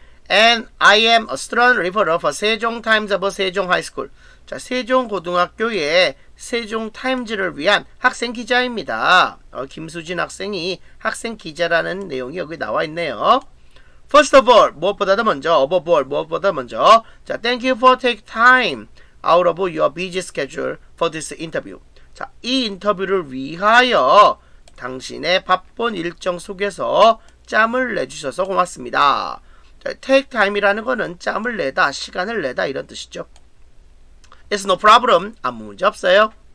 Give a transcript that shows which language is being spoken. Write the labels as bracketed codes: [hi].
[en] And I am a strong referral for Sejong Times of Sejong High School. [ko] 자, 세종 고등학교의 세종 타임즈를 위한 학생 기자입니다. 김수진 학생이 학생 기자라는 내용이 여기 나와 있네요. [en] First of all, [ko] 무엇보다도 먼저, [en] above all, [ko] 무엇보다 먼저. [en] 자, thank you for take time out of your busy schedule for this interview. [ko] 자, 이 인터뷰를 위하여 당신의 바쁜 일정 속에서 짬을 내주셔서 고맙습니다. 자, take time이라는 거는 짬을 내다, 시간을 내다 이런 뜻이죠. [en] It's no problem. [ko] 아무 문제 없어요.